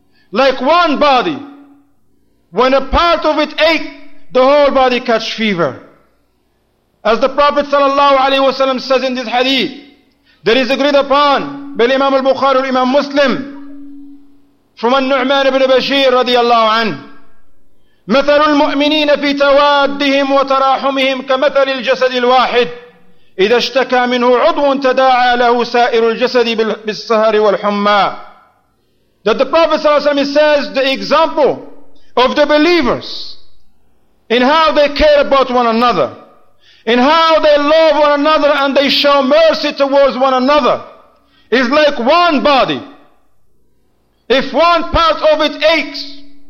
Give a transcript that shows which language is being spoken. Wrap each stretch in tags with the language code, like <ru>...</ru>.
<en>Like one body, when a part of it ache, the whole body catch fever. As the Prophet sallallahu alaihi wasallam says in this hadith, that is agreed upon by Imam al-Bukhari and Imam Muslim from An-Nu'man ibn Bashir radiallahu anhu.</en> <ar>مثل المؤمنين في توادهم وتراحمهم كمثل الجسد الواحد إذا اشتكى منه عضو تداعى له سائر الجسد بالسهر والحمى.</ar> <en>That the Prophet sallallahu alaihi wasallam says, the example of the believers in how they care about one another, in how they love one another and they show mercy towards one another, is like one body. If one part of it aches,</en>